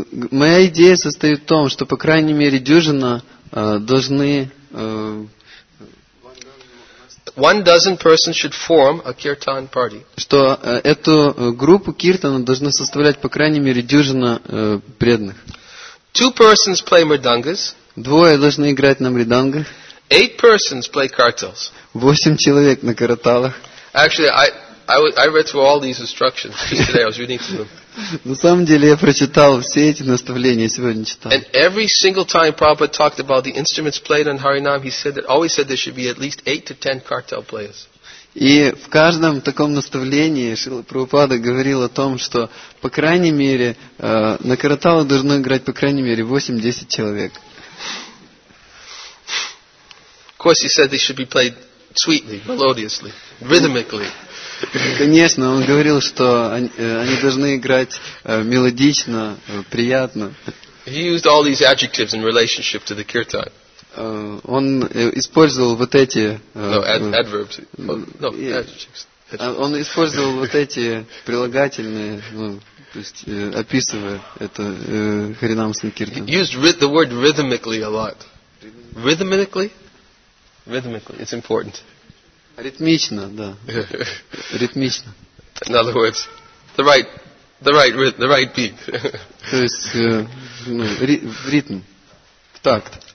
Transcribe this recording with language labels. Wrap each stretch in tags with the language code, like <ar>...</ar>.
<ru>Моя идея состоит в том, что по крайней мере дюжина должны</ru> <en>one dozen persons should form a kirtan party.</en> <ru>Что эту группу киртана должны составлять по крайней мере дюжина преданных.</ru> <en>Two persons play mridangas.</en> <ru>Двое должны играть на мридангах.</ru> <en>Eight persons play cartels.</en> <ru>Восемь человек на караталах.</ru> <en>Actually, I read through all these instructions yesterday. I was reading through them.</en> <ru>На самом деле, я прочитал все эти наставления сегодня читал.</ru> <en>And every single time Prabhupada talked about the instruments played on Harinam, he said that always said there should be at least 8 to 10 cartel players.</en> <ru>И в каждом таком наставлении Шрила Прабхупада говорил о том, что по крайней мере на караталах должно играть по крайней мере 8-10 человек.</ru> <en>Of course, he said they should be played sweetly, melodiously, rhythmically.</en> <ru>Конечно, он говорил, что они должны играть мелодично, приятно.</ru> <en>He used all these adjectives in relationship to the kirtan.</en> <ru>Он использовал вот эти.</ru> <en>Adverbs. No, adjectives.</en> <ru>Он использовал вот эти прилагательные, то есть описывая это Харинам Санкиртан.</ru> <en>He used the word rhythmically a lot. Rhythmically. Rhythmically, it's important.</en> <ru>Ритмично, да. Ритмично.</ru> <en>In other words, the right beat.</en> <ru>То есть, в ритм, в такт.</ru>